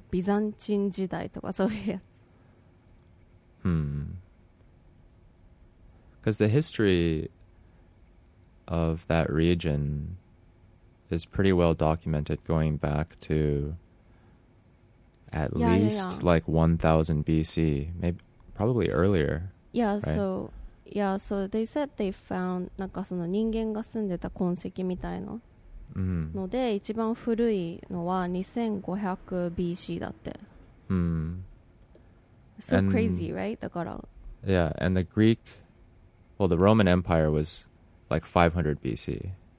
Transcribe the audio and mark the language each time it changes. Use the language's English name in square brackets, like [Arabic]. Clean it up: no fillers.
[Japanese] ビザンチン時代とかそういうやつ [English] Because the history of that region is pretty well documented going back to at least like 1000 BC, maybe probably earlier. Yeah,、right? so, yeah, so they said they found [Japanese] なんかその人間が住んでた痕跡みたいな、 [English] mm-hmm. [Japanese] ので一番古いのは 2500BC だって。 [English] Mm-hmm. So and, crazy, right? [Japanese] だから。 [English] Yeah, and the Greek, well, the Roman Empire was like 500 BC.